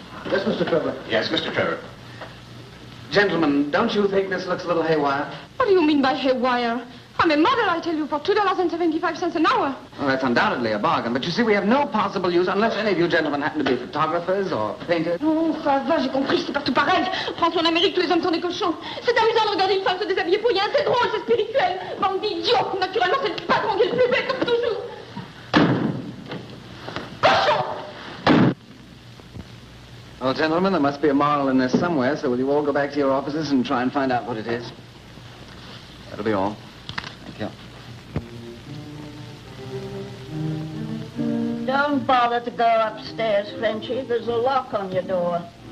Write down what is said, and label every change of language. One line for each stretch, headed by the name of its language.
English: Yes, Mr. Trevor. Yes, Mr. Trevor. Gentlemen, don't you think this looks a little haywire? What do you mean by haywire? I'm a model, I tell you, for $2.75 an hour. Well, that's undoubtedly a bargain. But you see, we have no possible use unless any of you gentlemen happen to be photographers or painters.
French: Non, ça va, j'ai compris, c'est partout pareil. France en Amérique, tous les hommes sont des cochons. C'est amusant de regarder une femme se déshabiller pour rien. C'est drôle, c'est spirituel. Bande d'idiots. Naturellement, c'est le patron qui est le plus bête, comme toujours. Cochon!
English: Well, gentlemen, there must be a model in there somewhere, so will you all go back to your offices and try and find out what it is? That'll be all. Thank you. Don't bother to go upstairs, Frenchie. There's a lock on your door.